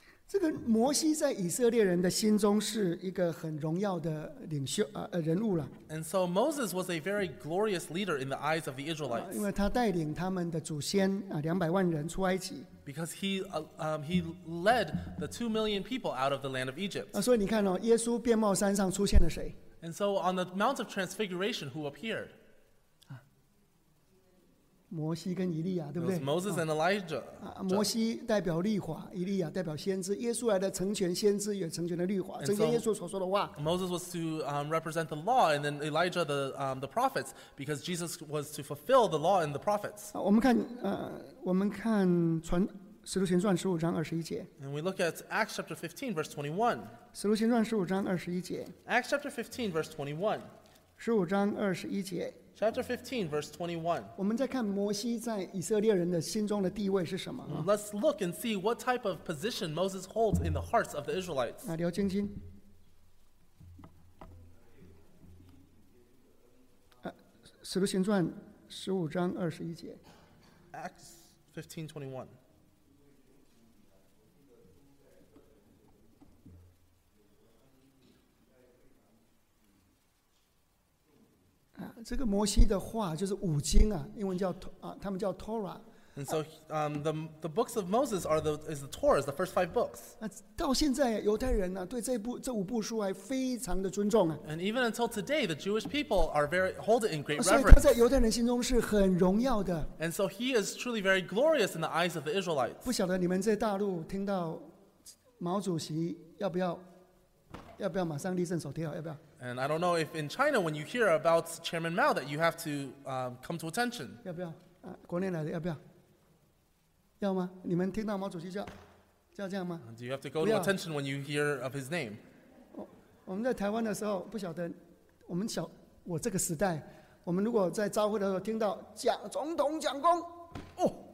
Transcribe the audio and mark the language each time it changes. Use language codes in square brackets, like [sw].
[zh] 这个摩西在以色列人的心中是一个很荣耀的领袖人物了。 [en] And so Moses was a very glorious leader in the eyes of the Israelites. [zh] 因为他带领他们的祖先200万人出埃及。 [en] Because he led the 2 million people out of the land of Egypt. [zh] 所以你看哦，耶稣变貌山上出现了谁 [en] ？And so on the Mount of Transfiguration, who appeared? [zh] 摩西跟以利亚，对不对 [en] ？It was Moses and Elijah. [zh] 摩西代表律法，以利亚代表先知。耶稣来的成全先知，也成全了律法，成全耶稣所说的话。 [en] Moses was to represent the law, and then Elijah the prophets, because Jesus was to fulfill the law and the prophets. [zh] 我们看传使徒行传十五章二十一节。 [en] And we look at Acts chapter 15, verse 21. [zh] 使徒行传十五章二十一节。 [en] Acts chapter 15, verse 21. [zh] 十五章二十一节。 [en] Chapter 15, verse 21. [zh] 我们再看摩西在以色列人的心中的地位是什么 [en] Let's look and see what type of position Moses holds in the hearts of the Israelites. [zh] 刘晶晶，使徒行传十五章二十一节。 [en] Acts 15:21. [zh] 这个摩西的话就是五经啊，英文叫他们叫 Torah。 [en] And so, the books of Moses is the Torah, the first five books. [zh] 到现在犹太人呢、对这五部书还非常的尊重啊。 [en] And even until today, the Jewish people are very hold it in great reverence. [zh] 所以他在犹太人心中是很荣耀的。 [en] And so he is truly very glorious in the eyes of the Israelites. [zh] 不晓得你们在大陆听到毛主席要不要马上立正手贴，要不要？ [en] And I don't know if in China, when you hear about Chairman Mao, that you have to come to attention. [zh] 要不要？国内来的要不要？要吗？你们听到毛主席叫这样吗 [en] ？Do you have to go to attention when you hear of his name? [zh] 我们在台湾的时候，不晓得我们小我这个时代，我们如果在召会的时候听到蒋总统蒋公，哦